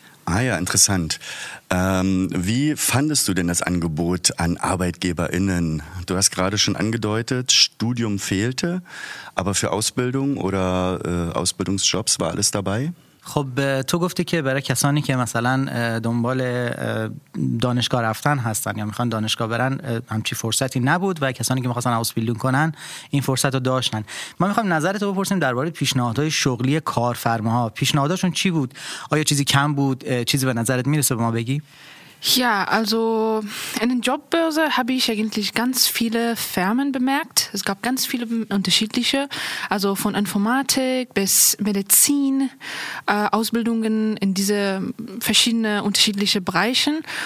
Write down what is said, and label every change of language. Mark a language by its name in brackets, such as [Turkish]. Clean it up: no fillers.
[Persian] آیا اینترسانت. [German] Wie fandest du denn das Angebot an ArbeitgeberInnen? Du hast gerade schon angedeutet, Studium fehlte, aber für Ausbildung oder Ausbildungsjobs war alles dabei? [Persian] خب تو گفتی که برای کسانی که مثلا دنبال دانشگاه رفتن هستن یا میخوان دانشگاه برن همچی فرصتی نبود و کسانی که میخواستن آوزبیلدونگ کنن این فرصت رو داشتن. ما میخوام نظرتو بپرسیم درباره پیشنهادهای شغلی کارفرماها. پیشنهاداشون چی بود؟ آیا چیزی کم بود؟ چیزی به نظرت میرسه به ما بگی؟ [German] Ja, also in den Jobbörse habe ich eigentlich ganz viele Firmen bemerkt. Es gab ganz viele unterschiedliche, also von Informatik bis Medizin, Ausbildungen in diese verschiedenen unterschiedlichen Bereichen.